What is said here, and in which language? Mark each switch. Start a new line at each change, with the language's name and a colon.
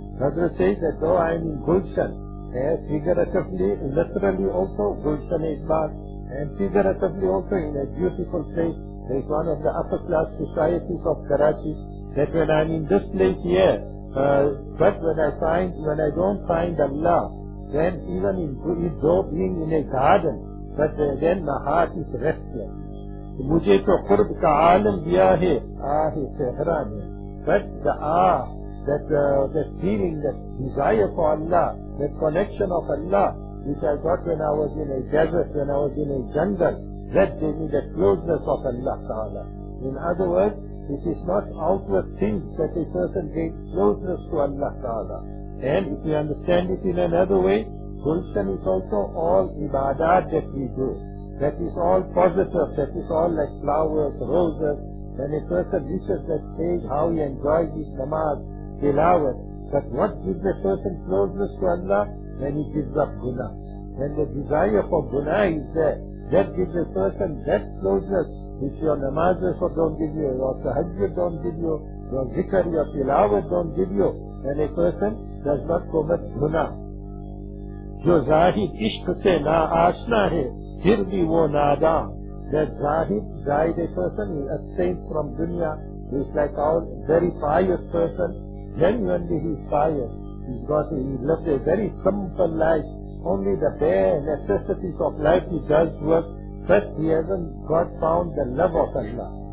English: Hazrat says that though I am in gulshan, figuratively, literally also, gulshan is bad, and figuratively also in a beautiful place, there is one of the upper class societies of Karachi, that when I am in this place here, but when I don't find Allah, then even though being in a garden, but then my heart is restless.
Urdu: مجھے تو قرب کا عالم دیا ہے آہ صحرا نے.
English: But the awe, that feeling, that desire for Allah, that connection of Allah, which I got when I was in a desert, when I was in a jungle, that gave me the closeness of Allah Ta'ala. In other words, it is not outward things that a person gains closeness to Allah Ta'ala. And if you understand it in another way, Gulshan is also all ibadat that we do. That is all positive, that is all like flowers, roses. When a person reaches that stage, how he enjoys his namaz, tilawat. But what gives a person closeness to Allah? When he gives up guna. When the desire for guna is there, that gives a person that closeness which your namaz also don't give you, your tahajjud don't give you, your zikr, your tilawat don't give you. When a person does not commit guna.
Urdu: جو زاہد عشق سے نا آشنا ہے پھر بھی وہ نادام.
English: That zahid, zahid a person who is abstained from dunya, he is like a very pious person, genuinely he is pious, he lived a very simple life, only the bare necessities of life he does work, but he hasn't got found the love of Allah.